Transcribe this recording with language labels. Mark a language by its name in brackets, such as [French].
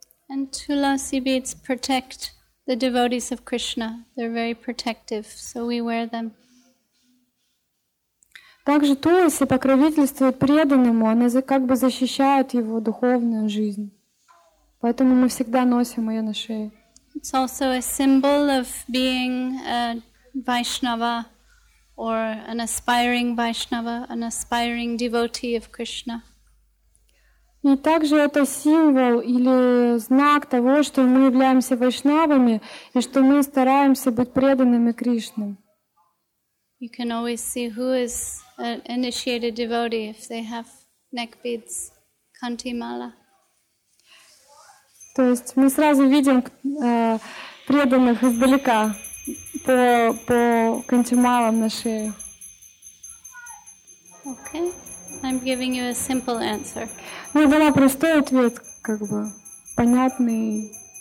[English] And tulasi beads protect the devotees of Krishna, they're very protective, so we wear them. [Russian] Также туласи покровительствует преданному, она как бы защищает его духовную жизнь. Поэтому мы всегда носим ее на шее. [English] It's also a symbol of being a Vaishnava or an aspiring Vaishnava, an aspiring devotee of Krishna. [Russian] И также это символ или знак того, что мы являемся вайшнавами и что мы стараемся быть преданными Кришне. [English] You can always see who is an initiated devotee if they have neck beads, kanti mala. [Russian] То есть мы сразу видим преданных издалека по кантималам на шее. [English] Okay. I'm giving you a simple answer. [Russian] Ну, дала простой ответ, как бы понятный.